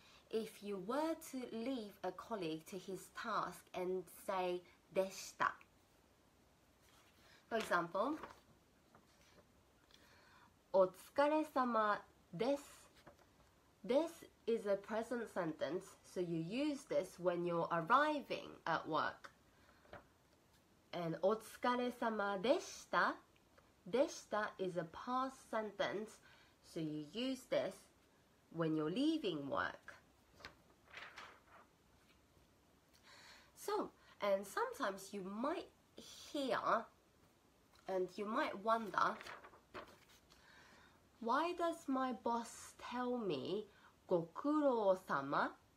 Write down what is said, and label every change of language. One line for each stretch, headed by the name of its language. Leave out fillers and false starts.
English: If you were to leave a colleague to his task and say deshita, for example, お疲れ様です。 This is a present sentence, so you use this when you're arriving at work.
Japanese: And お疲れ様でした。
English: でした is a past sentence, so you use this when you're leaving work. So, and sometimes you might hear and you might wonder, why does my boss tell me Gokuro-sama?